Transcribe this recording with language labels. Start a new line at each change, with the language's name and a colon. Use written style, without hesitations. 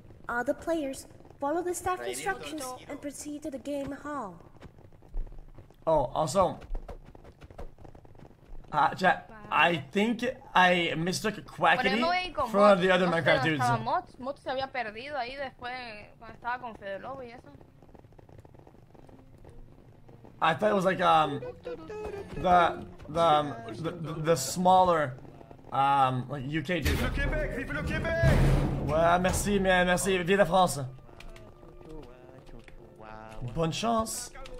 English: All the players follow the staff instructions and proceed to the game hall. Oh, also, chat, I think I mistook Quackity for one of the other Minecraft dudes.
Spanish: Mot se había perdido ahí después cuando estaba con Fede Lobo y eso.
English: I thought it was like the smaller like UK dude.
French: Vive le Québec, vive le Québec! Ouais, merci, man, merci. Vive la France. Bonne chance.